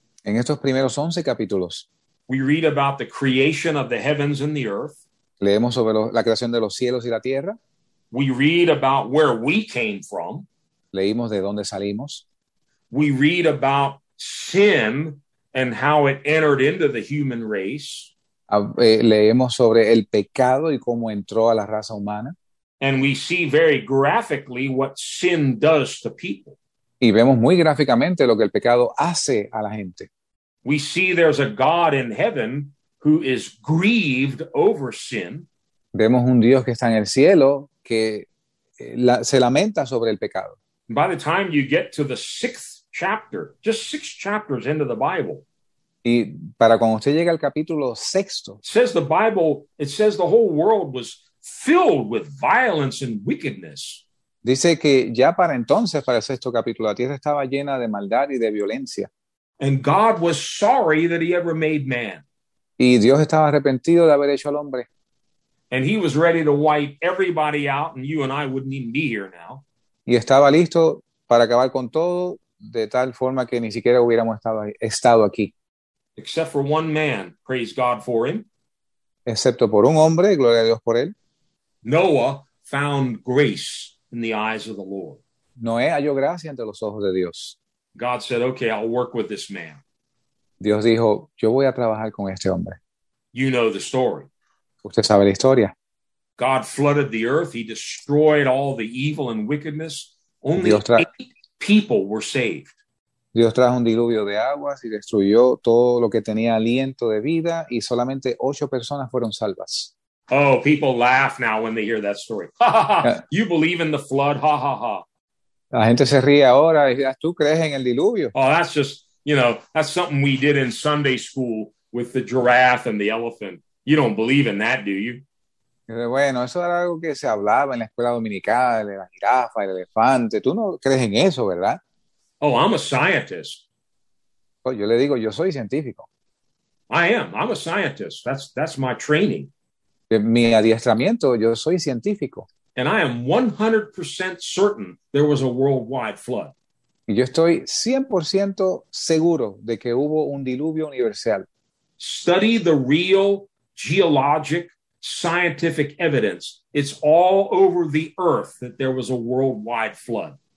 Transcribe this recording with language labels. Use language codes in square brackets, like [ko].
[es] en estos primeros 11 capítulos, [en] we read about the creation of the heavens and the earth. [es] Leemos sobre la creación de los cielos y la tierra. [en] We read about where we came from. [es] Leímos de dónde salimos. [en] We read about sin and how it entered into the human race. [es] Leemos sobre el pecado y cómo entró a la raza humana. [en] And we see very graphically what sin does to people. [es] Y vemos muy gráficamente lo que el pecado hace a la gente. [en] We see there's a God in heaven who is grieved over sin. [es] Vemos un Dios que está en el cielo que se lamenta sobre el pecado. [en] By the time you get to the sixth chapter, just six chapters into the Bible. [es] Y para cuando usted llega al capítulo sexto. [en] It says the whole world was filled with violence and wickedness. [es] Dice que ya para entonces, para el sexto capítulo, la tierra estaba llena de maldad y de violencia. [en] And God was sorry that he ever made man. [es] Y Dios estaba arrepentido de haber hecho al hombre. [en] And he was ready to wipe everybody out and you and I wouldn't even be here now. [es] Y estaba listo para acabar con todo de tal forma que ni siquiera hubiéramos estado aquí. [en] Except for one man, praise God for him. [es] Excepto por un hombre, gloria a Dios por él. [en] Noah found grace in the eyes of the Lord. [es] Noé halló gracia ante los ojos de Dios. [en] God said, okay, I'll work with this man. [es] Dios dijo, yo voy a trabajar con este hombre. [en] You know the story. [es] Usted sabe la historia. [en] God flooded the earth. He destroyed all the evil and wickedness. Only eight people were saved. [es] Dios trajo un diluvio de aguas y destruyó todo lo que tenía aliento de vida y solamente 8 personas fueron salvas. [en] Oh, people laugh now when they hear that story. You believe in the flood? Ha, ha, ha. [es] La gente se ríe ahora. ¿Tú crees en el diluvio? [en] Oh, that's just, that's something we did in Sunday school with the giraffe and the elephant. You don't believe in that, do you? [es] Bueno, eso era algo que se hablaba en la escuela dominical, de la jirafa, el elefante. ¿Tú no crees en eso, verdad? [en] Oh, I'm a scientist. [es] Oh, yo le digo, yo soy científico. [en] I am. I'm a scientist. That's my training. [es] Mi adiestramiento, yo soy científico. [en] And I am 100% certain there was a worldwide flood. [es] Y yo estoy 100% seguro de que hubo un diluvio universal. [en] Study the real geologic scientific evidence. It's all over the earth that there was a worldwide flood.